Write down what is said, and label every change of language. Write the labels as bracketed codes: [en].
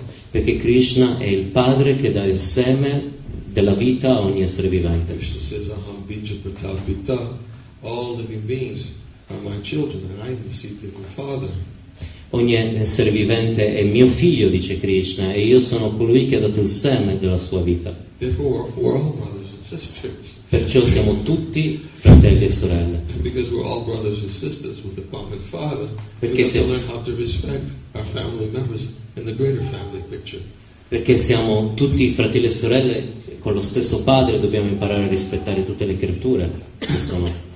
[it] Perché Krishna è il padre che dà il seme della vita a ogni essere vivente. [en] Krishna dice, aham bija pratapita, all living beings are my children and I am the seed of my father. [it] Ogni essere vivente è mio figlio, dice Krishna, e io sono colui che ha dato il seme della sua vita. [en] Therefore, we're all brothers and sisters. [it] Perciò siamo tutti fratelli e sorelle. [en] Because we're all brothers and sisters with the common father. Perché we have to learn how to respect our family members in the greater family picture. [it] Perché siamo tutti fratelli e sorelle con lo stesso padre, dobbiamo imparare a rispettare tutte le creature che sono